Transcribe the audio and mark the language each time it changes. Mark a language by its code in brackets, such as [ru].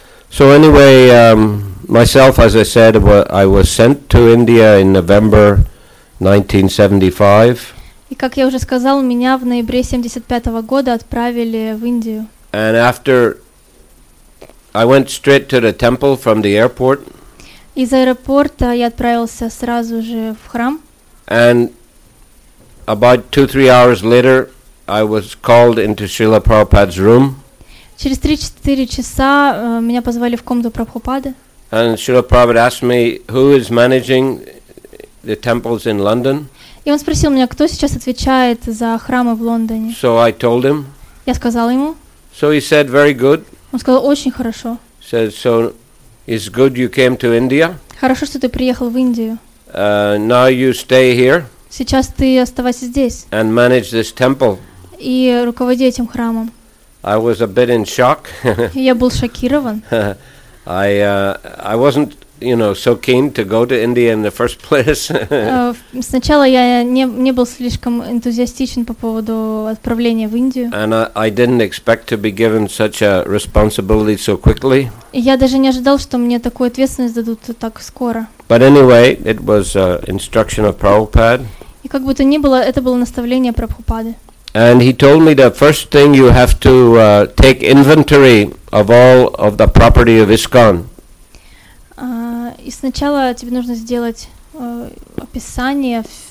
[en] So anyway, myself, as I said, I was sent to India in November 1975. [ru] И как я уже сказал, меня в ноябре 75 года отправили в Индию. [en] And after, I went straight to the temple from the airport. [ru] Из аэропорта я отправился сразу же в храм. [en] And about 2-3 hours later, I was called into Srila Prabhupada's room. [ru] Через 3-4 часа меня позвали в комнату Прабхупады. [en] And Srila Prabhupada asked me, who is managing the temples in London? [ru] И он спросил меня, кто сейчас отвечает за храмы в Лондоне. [en] So I told him. [ru] Я сказал ему. [en] So he said, very good. [ru] Он сказал, очень хорошо. [en] Said, so it's good you came to India. [ru] Хорошо, что ты приехал в Индию. [en] Now you stay here. [ru] Сейчас ты оставайся здесь. [en] And manage this temple. [ru] И руководи этим храмом. [en] I was a bit in shock. [ru] Я был шокирован. [en] I wasn't, you know, so keen to go to India in the first place. [ru] Сначала я не был слишком энтузиастичен по поводу отправления в Индию. [en] And I didn't expect to be given such a responsibility so quickly. [ru] Я даже не ожидал, что мне такую ответственность дадут так скоро. [en] But anyway, it was instruction of Prabhupada. [ru] И как бы то ни было, это было наставление Прабхупады. [en] And he told me the first thing you have to take inventory of all of the property of ISKCON. [ru] И сначала тебе нужно сделать описание.